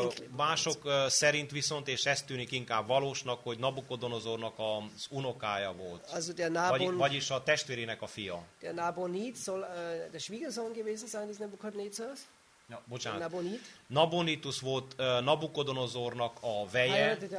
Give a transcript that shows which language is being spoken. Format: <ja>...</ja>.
<hu>Mások szerint viszont, és ez tűnik inkább valósnak, hogy Nabukodonozornak az unokája volt.</hu> <de>Also der Nabon,</de> <hu>vagyis a testvérének a fia.</hu> <de>Der Nabonid soll der Schwiegersohn gewesen sein des Nebukadnezars.</de> <hu>Ja, bocsánat. Nabonidus volt Nabukodonozornak a veje.</hu>